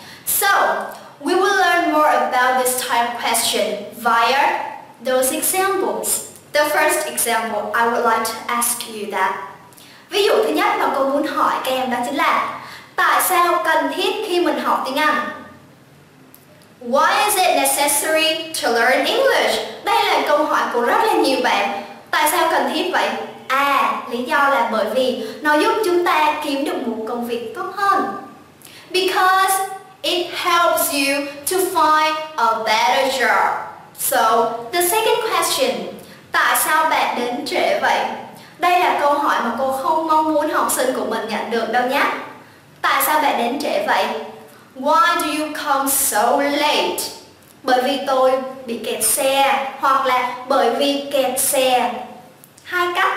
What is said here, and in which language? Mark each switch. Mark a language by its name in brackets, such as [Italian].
[English] So, we will learn more about this type question via those examples. The first example, I would like to ask you that. [Vietnamese] Ví dụ thứ nhất mà cô muốn hỏi các em đó chính là tại sao cần thiết khi mình học tiếng Anh? [English] Why is it necessary to learn English? [Vietnamese] Đây là câu hỏi của rất là nhiều bạn. Tại sao cần thiết vậy? À, lý do là bởi vì nó giúp chúng ta kiếm được một công việc tốt hơn. [English] Because it helps you to find a better job. So, the second question. [Vietnamese] Tại sao bạn đến trễ vậy? Đây là câu hỏi mà cô không mong muốn học sinh của mình nhận được đâu nhé. Tại sao bạn đến trễ vậy? [English] Why do you come so late? [Vietnamese] Bởi vì tôi bị kẹt xe. Hoặc là bởi vì kẹt xe. Hai cách.